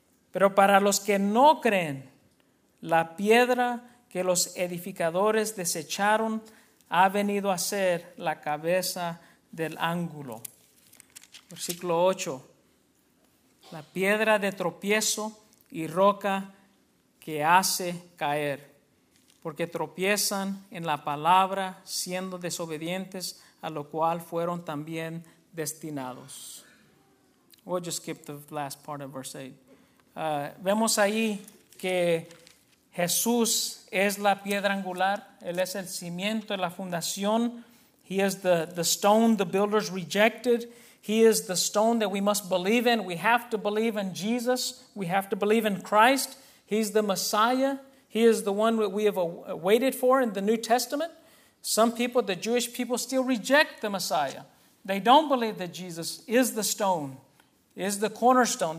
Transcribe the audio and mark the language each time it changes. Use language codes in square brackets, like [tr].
[es] Pero para los que no creen, la piedra que los edificadores desecharon ha venido a ser la cabeza del ángulo. Versículo 8. La piedra de tropiezo y roca que hace caer. Porque tropiezan en la palabra siendo desobedientes a lo cual fueron también destinados. [en] We'll just skip the last part of verse 8. [es] Vemos ahí que Jesús es la piedra angular. Él es el cimiento, la fundación. [en] He is the stone the builders rejected. He is the stone that we must believe in. We have to believe in Jesus. We have to believe in Christ. He's the Messiah. He is the one that we have waited for in the New Testament. Some people, the Jewish people, still reject the Messiah. They don't believe that Jesus is the stone, is the cornerstone.